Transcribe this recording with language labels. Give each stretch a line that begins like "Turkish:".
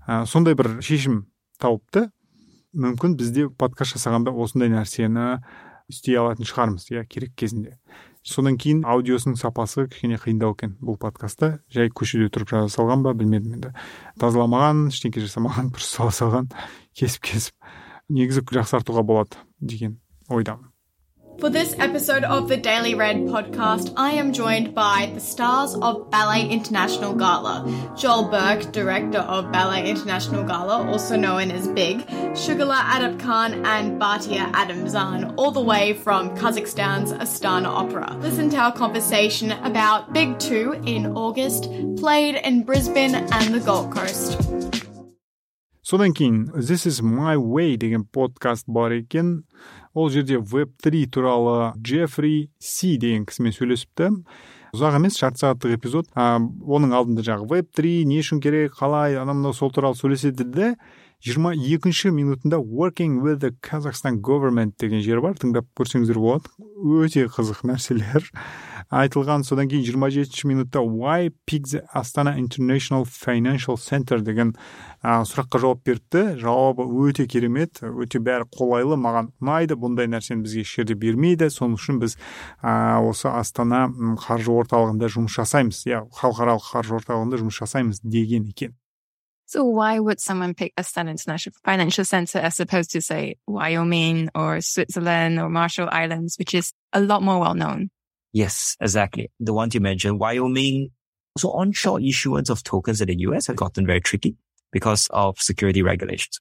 Kazakh: Сондай бір шешім тауыпты. Мүмкін бізде подкаст жасағанда осындай нәрсені істей алатын шығармыз, иә, керек кезінде. Содан кейін аудиосының сапасы кішкене қиындау екен бұл подкастта. Жай көшеде тұрып жасалған ба, білмедім енді. Тазаламаған, ештеңке жасамаған, бір сала салған, кесіп-кесіп. Негізі жақсартуға болады деген ойдамын.
English: For this episode of the Daily Red podcast, I am joined by the stars of Ballet International Gala. Joel Burke, director of Ballet International Gala, also known as Big, Sugarla Adapkhan and Bhatia Adamzan, all the way from Kazakhstan's Astana Opera. Listen to our conversation about Big 2 in August, played in Brisbane and the Gold Coast.
Kazakh: Содан кейін This is My Way деген подкаст бар екен. Ол жерде Web3 туралы Джеффри Си деген кісімен сөйлесіпті. Ұзақ емес, жарты сағаттық эпизод. Оның алдында жағы Web3 не үшін керек, қалай, анамда сол туралы сөйлеседі де. 22-ші минутында Working with the Kazakhstan Government деген жер бар. Тыңдап көрсеңіздер болады. Өте қызық нәрселер айтылған. Содан кейін 27-ші минутта Why Pick the Astana International Financial Center деген сұраққа жауап берді. Жауабы өте керемет, өте бәрі қолайлы. Маған ұнайды, бұндай нәрсені бізге шерде бермейді. Соның үшін біз осы Астана қаржы орталығында жұмыс жасаймыз. Я, халықаралық қаржы орталығында жұмыс жасаймыз деген екен.
English: So why would someone pick Astana International Financial Center as opposed to, say, Wyoming or Switzerland or Marshall Islands, which is a lot more well-known? Yes, exactly. The ones you mentioned, Wyoming. So onshore issuance of tokens in the US has gotten very tricky because of security regulations.